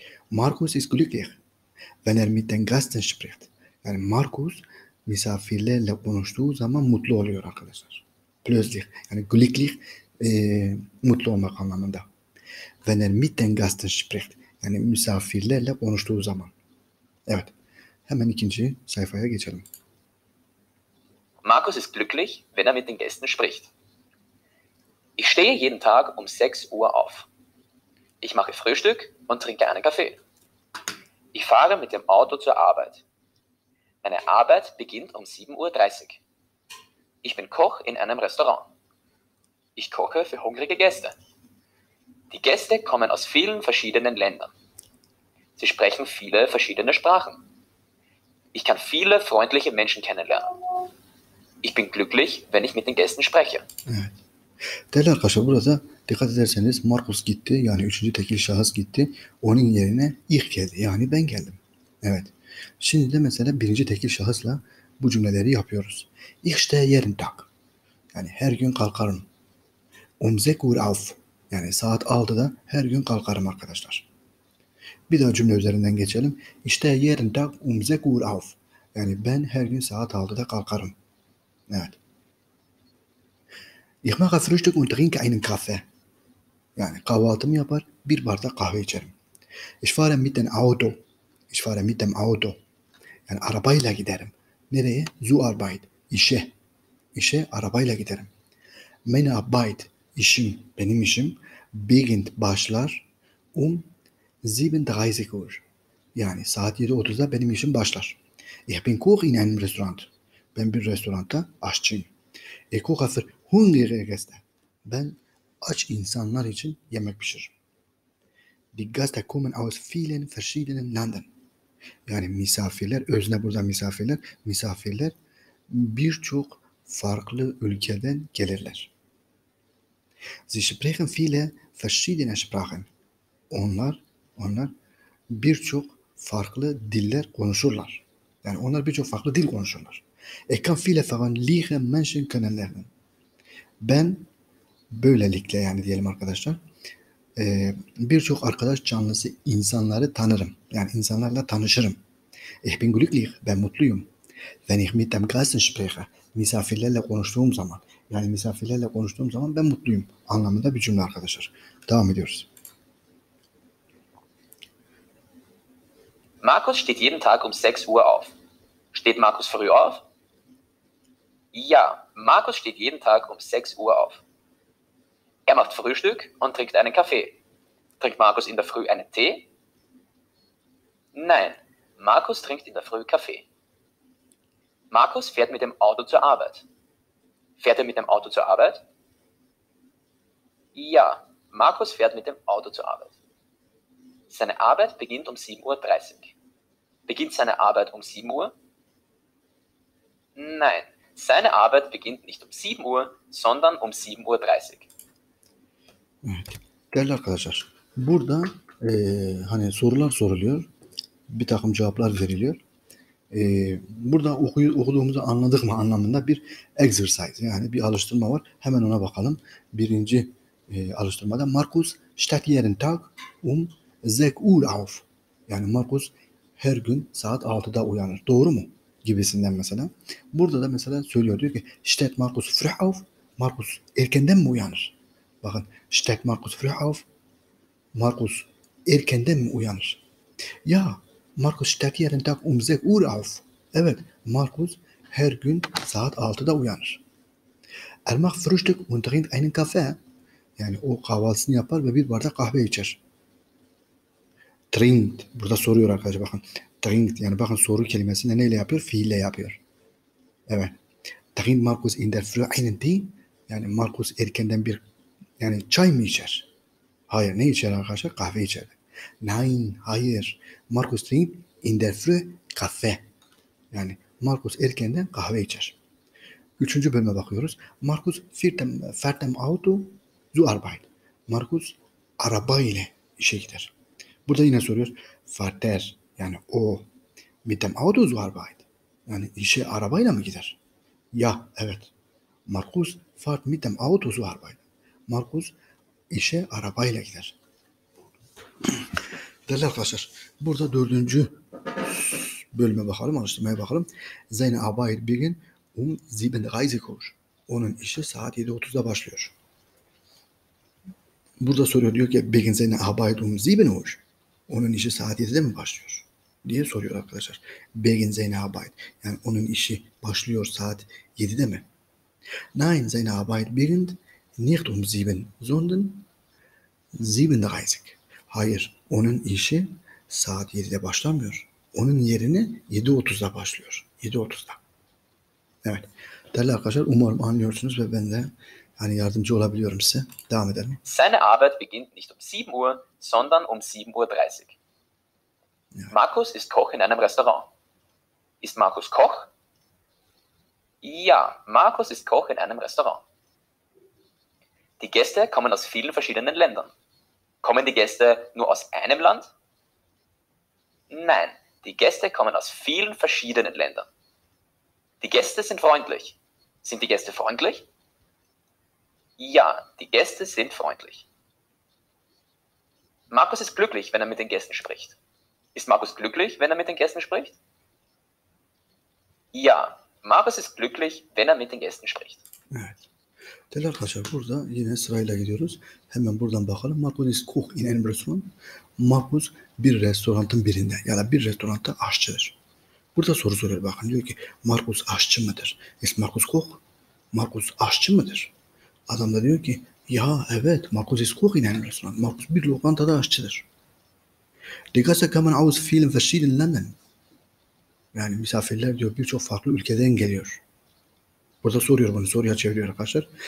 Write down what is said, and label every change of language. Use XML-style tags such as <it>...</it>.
<de>Markus ist glücklich, wenn mit den Gästen spricht.</de> <tr>Yani Markus misafirlerle konuştuğu zaman mutlu oluyor arkadaşlar.</tr> <de>Plötzlich,</de> <tr>yani</tr> <de>glücklich,</de> <tr>mutlu olmak anlamında.</tr> <de>Wenn mit den Gästen spricht,</de> <tr>yani misafirlerle konuştuğu zaman. Evet, hemen ikinci sayfaya geçelim.</tr> <de>Markus ist glücklich, wenn mit den Gästen spricht. Ich stehe jeden Tag 6 Uhr auf. Ich mache Frühstück und trinke einen Kaffee. Ich fahre mit dem Auto zur Arbeit. Meine Arbeit beginnt 7.30 Uhr. Ich bin Koch in einem Restaurant. Ich koche für hungrige Gäste. Die Gäste kommen aus vielen verschiedenen Ländern. Sie sprechen viele verschiedene Sprachen. Ich kann viele freundliche Menschen kennenlernen. Ich bin glücklich, wenn mit den Gästen spreche.</de> <tr>Değerli arkadaşlar, burada dikkat ederseniz Markus gitti, yani üçüncü tekil şahıs gitti. Onun yerine ich geldi, yani ben geldim. Evet. Şimdi de mesela birinci tekil şahısla bu cümleleri yapıyoruz.</tr> <de>Ich stehe jeden Tag.</de> <tr>Yani her gün kalkarım.</tr> <de>Um 6 Uhr auf.</de> <tr>Yani saat 6'da her gün kalkarım arkadaşlar. Bir daha cümle üzerinden geçelim.</tr> <de>Ich stehe jeden Tag 6 Uhr auf.</de> <tr>Yani ben her gün saat 6'da kalkarım. Evet.</tr> <de>Ich mache Frühstück und trinke einen Kaffee.</de> <tr>Yani kahvaltımı yapar, bir bardak kahve içerim.</tr> <de>Ich fahre mit dem Auto. Ich fahre mit dem Auto.</de> <tr>Yani arabayla giderim. Nereye?</tr> <de>Zur Arbeit.</de> <tr>İşe. İşe arabayla giderim.</tr> <de>Meine Arbeit.</de> <tr>İşim. Benim işim.</tr> <de>Beginnt.</de> <tr>Başlar.</tr> <de>7.30 Uhr.</de> <tr>Yani saat 7.30'da benim işim başlar.</tr> <de>Ich bin Koch in einem Restaurant.</de> <tr>Ben bir restoranda aşçıyım.</tr> <de>Ich koche für hungrige Gäste.</de> <tr>Ben aç insanlar için yemek pişiririm.</tr> <de>Die Gäste kommen aus vielen verschiedenen Ländern.</de> <tr>Yani misafirler, özne burada misafirler, misafirler birçok farklı ülkeden gelirler.</tr> <de>Sie sprechen viele verschiedene Sprachen.</de> <tr>Onlar birçok farklı diller konuşurlar. Yani onlar birçok farklı dil konuşurlar.</tr> <de>Ich kann viele verschiedene Menschen kennenlernen.</de> <tr>Ben böylelikle yani diyelim arkadaşlar birçok arkadaş canlısı insanları tanırım. Yani insanlarla tanışırım.</tr> <de>Ich bin glücklich,</de> <tr>ben mutluyum.</tr> <de>Wenn ich mit dem Gasten spreche,</de> <tr>misafirlerle konuştuğum zaman, yani misafirlerle konuştuğum zaman ben mutluyum anlamında bir cümle arkadaşlar. Devam ediyoruz.</tr> <de>Markus steht jeden Tag um 6 Uhr auf. Steht Markus früh auf? Ja, Markus steht jeden Tag um 6 Uhr auf. Er macht Frühstück und trinkt einen Kaffee. Trinkt Markus in der Früh einen Tee? Nein, Markus trinkt in der Früh Kaffee. Markus fährt mit dem Auto zur Arbeit. Fährt er mit dem Auto zur Arbeit? Ja, Markus fährt mit dem Auto zur Arbeit. Seine Arbeit beginnt um 7.30 Uhr. Beginnt seine Arbeit um 7 Uhr? Nein, seine Arbeit beginnt nicht um 7 Uhr, sondern um 7.30 Uhr.</de> <tr>Evet. Değerli arkadaşlar, burada hani sorular soruluyor, bir takım cevaplar veriliyor. Burada okuduğumuzu anladık mı anlamında bir exercise, yani bir alıştırma var. Hemen ona bakalım. Birinci alıştırmada</tr> <de>Markus steht jeden Tag um 6 Uhr auf.</de> <tr>Yani Markus her gün saat 6'da uyanır. Doğru mu? Gibisinden mesela. Burada da mesela söylüyor, diyor ki</tr> <de>steht Markus früh auf.</de> <tr>Markus erkenden mi uyanır? Bakın,</tr> <de>steht Markus früh auf.</de> <tr>Markus erkenden mi uyanır?</tr> <de>Ya, Markus steht jeden Tag um 6 Uhr auf.</de> <tr>Evet, Markus her gün saat 6'da uyanır.</tr> <de>Macht Frühstück und trinkt einen Kaffee.</de> <tr>Yani o kahvaltısını yapar ve bir bardak kahve içer.</tr> <de>Trinkt.</de> <tr>Burada soruyor arkadaşlar, bakın.</tr> <de>Trinkt.</de> <tr>Yani bakın, soru kelimesini neyle yapıyor? Fiille yapıyor. Evet.</tr> <de>Trinkt Markus in der Früh einen Tee.</de> <tr>Yani Markus erkenden bir, yani çay mı içer? Hayır, ne içer arkadaşlar? Kahve içer.</tr> <de>Nein,</de> <tr>hayır.</tr> <de>Markus trinkt in der Früh Kaffee.</de> <tr>Yani Markus erkenden kahve içer. Üçüncü bölüme bakıyoruz.</tr> <de>Markus fährt dem Auto zur Arbeit.</de> <tr>Markus araba ile işe gider. Burada yine soruyoruz.</tr> <de>Fährt er,</de> <tr>yani o,</tr> <de>mit dem Auto zur Arbeit.</de> <tr>Yani işe arabayla mı gider?</tr> <de>Ja,</de> <tr>evet.</tr> <de>Markus fährt mit dem Auto zur Arbeit.</de> <tr>Markus işe arabayla gider. Değerli arkadaşlar, burada dördüncü bölüme bakalım, alıştırmaya bakalım.</tr> <de>Seine Arbeit beginnt um 7.30 Uhr.</de> <tr>Onun işi saat 7.30'da başlıyor. Burada soruyor, diyor ki</tr> <de>beginnt seine Arbeit um 7 Uhr.</de> <tr>Onun işi saat 7'de mi başlıyor? Diye soruyor arkadaşlar.</tr> <de>Beginnt seine Arbeit.</de> <tr>Yani onun işi başlıyor saat 7'de mi?</tr> <de>Nein, seine Arbeit beginnt nicht um 7, sondern 7.30.</de> <tr>Hayır, onun işi saat 7'de başlamıyor. Onun yerine 7.30'da başlıyor. 7.30'da. Evet. Değerli arkadaşlar, umarım anlıyorsunuz ve ben de hani yardımcı olabiliyorum size. Devam edelim.</tr> <de>Seine Arbeit beginnt nicht um 7 Uhr, sondern um 7.30 Uhr. Ja. Markus ist Koch in einem Restaurant. Ist Markus Koch? Ja, Markus ist Koch in einem Restaurant. Die Gäste kommen aus vielen verschiedenen Ländern. Kommen die Gäste nur aus einem Land? Nein, die Gäste kommen aus vielen verschiedenen Ländern. Die Gäste sind freundlich. Sind die Gäste freundlich? Ja, die Gäste sind freundlich. Markus ist glücklich, wenn er mit den Gästen spricht. Ist Markus glücklich, wenn er mit den Gästen spricht? Ja, Markus ist glücklich, wenn er mit den Gästen spricht.</de> <tr>Değerli arkadaşlar, burada yine sırayla gidiyoruz. Hemen buradan bakalım.</tr> <de>Markus ist Koch in einem Restaurant.</de> <tr>Markus bir restoranın birinde, ya da bir restoranda aşçıdır. Burada soru soruyor, bakın, diyor ki Markus aşçı mıdır?</tr> <de>Ist Markus Koch?</de> <tr>Markus aşçı mıdır? Adam da diyor ki ya evet,</tr> <de>Markus ist Koch in einem Restaurant.</de> <tr>Markus bir lokantada aşçıdır.</tr> <de>Die Gäste kommen aus vielen verschiedenen Ländern.</de> <tr>Yani misafirler diyor birçok farklı ülkeden geliyor. Burada soruyor, bunu soruya çeviriyor arkadaşlar.</tr>